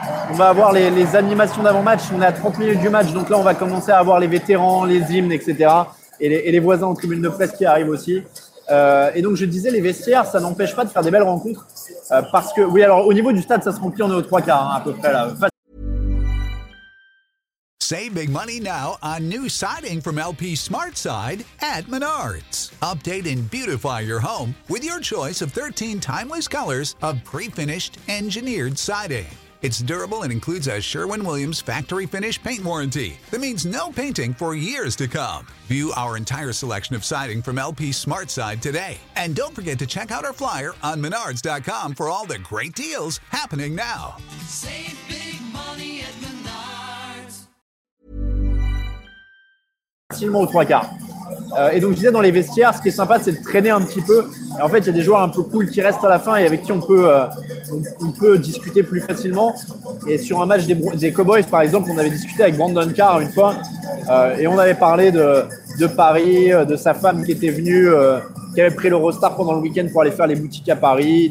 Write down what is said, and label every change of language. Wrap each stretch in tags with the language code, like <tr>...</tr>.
<fr>On va avoir les animations d'avant-match. On est à 30 minutes du match. Donc là, on va commencer à avoir les vétérans, les hymnes, etc. Et les voisins en tribune de presse qui arrivent aussi. Et donc, je disais, les vestiaires, ça n'empêche pas de faire des belles rencontres. Parce que, oui, alors au niveau du stade, ça se remplit. On est aux trois quarts, hein, à peu près là.</fr> <en>Save big money now on new siding from LP Smart Side at Menards. Update and beautify your home with your choice of 13 timeless colors of pre-finished engineered siding. It's durable and includes a Sherwin-Williams factory finish paint warranty that means no painting for years to come. View our entire selection of siding from LP Smart Side today. And don't forget to check out our flyer on Menards.com for all the great deals happening now. Save big money at Menards.</en> <fr>Facilement aux trois quarts. Et donc, je disais, dans les vestiaires, ce qui est sympa, c'est de traîner un petit peu. Et en fait, il y a des joueurs un peu cool qui restent à la fin et avec qui on peut discuter plus facilement. Et sur un match des Cowboys, par exemple, on avait discuté avec Brandon Carr une fois et on avait parlé de Paris, de sa femme qui était venue, qui avait pris l'Eurostar pendant le week-end pour aller faire les boutiques à Paris.</fr>